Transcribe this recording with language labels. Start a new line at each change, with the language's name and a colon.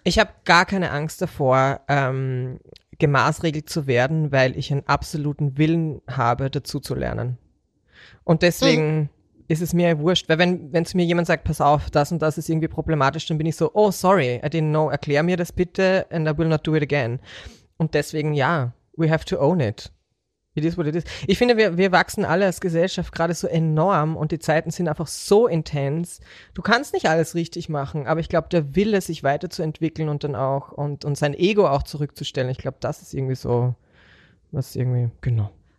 German: Ich habe gar keine Angst davor, gemaßregelt zu werden, weil ich einen absoluten Willen habe, dazu zu lernen. Und deswegen ist es mir wurscht, weil wenn zu mir jemand sagt, pass auf, das und das ist irgendwie problematisch, dann bin ich so,
English: oh sorry, I didn't know,
German: erklär mir das bitte
English: and I will not do it again.
German: Und deswegen, ja,
English: we have to own it. It is what it is.
German: Ich finde, wir wachsen alle als Gesellschaft gerade so enorm und die Zeiten sind einfach so intens. Du kannst nicht alles richtig machen, aber ich glaube, der Wille, sich weiterzuentwickeln und dann auch und sein Ego auch zurückzustellen, ich glaube, das ist irgendwie so, was irgendwie, genau.